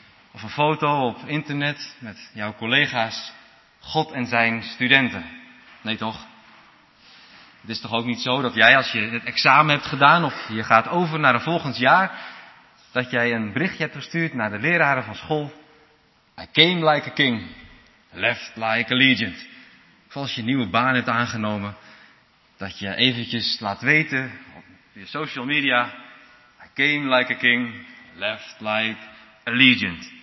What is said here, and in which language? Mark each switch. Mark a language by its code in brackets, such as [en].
[nl] Of een foto op internet met jouw collega's, God en zijn studenten. Nee toch? Het is toch ook niet zo dat jij, als je het examen hebt gedaan of je gaat over naar een volgend jaar, dat jij een berichtje hebt gestuurd naar de leraren van school. [en] I came like a king, left like a legion. [nl] Of als je een nieuwe baan hebt aangenomen, dat je eventjes laat weten op je social media. [en] I came like a king, left like a legion.